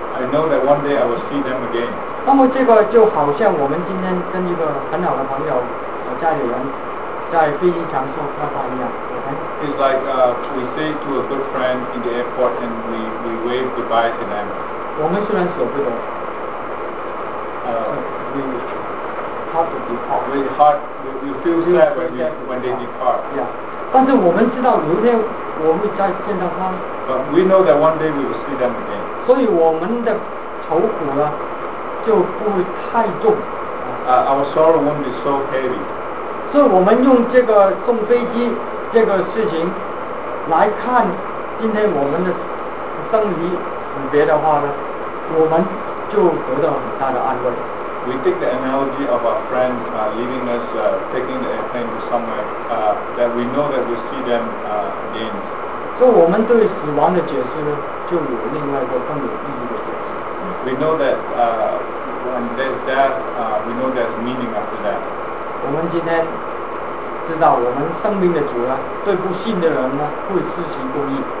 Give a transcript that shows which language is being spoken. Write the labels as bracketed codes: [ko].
[en] I know that one day I will see them again. [zh] 那么这个就好像我们今天跟一个很好的朋友家里人在飞机场说拜拜一样。 [en] Okay? It's like we say to a good friend in the airport and we wave goodbye to them. [zh] 我们虽然舍不得。 [en] Hard to depart. We hard, we feel sad when they depart. Yeah. [zh] 但是我们知道有一天我们再见到他。 [en] But we know that one day we will see them again. [zh] 所以我们的愁苦呢就不会太重。 [en] Our sorrow won't be so heavy. [zh] 所以我们用这个送飞机这个事情来看今天我们的生离死别的话呢，我们就得到很大的安慰。 [en] We take the analogy of our friend leaving us, taking the airplane to somewhere, that we know that we'll see them again. [zh] 所以我们对死亡的解释呢，就有另外一个更有意义的解释。 [en] we know that when there's death, we know there's meaning after that. [zh] 我们今天知道我们生命的主呢，对不信的人呢，会施行公义。